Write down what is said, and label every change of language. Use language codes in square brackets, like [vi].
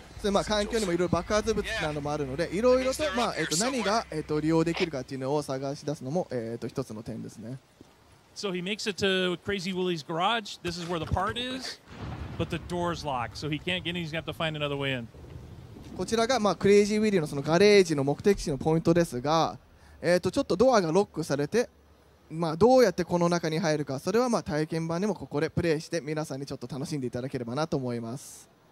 [ja] まあ、環境にもいろいろ爆発物などもあるので、いろいろと、まあ何が利用できるかというのを探し出すのも一つの点ですね。 [en] So he makes it to Crazy Willie's garage. This is where the part is, but the door's locked, so he can't get in. He's gonna have to find another way in. [ja] こちらが、まあ、クレイジー・ウィリーのそのガレージの目的地のポイントですが、ちょっとドアがロックされて、まあ、どうやってこの中に入るか、それはまあ体験版でもここでプレイして皆さんにちょっと楽しんでいただければなと思います。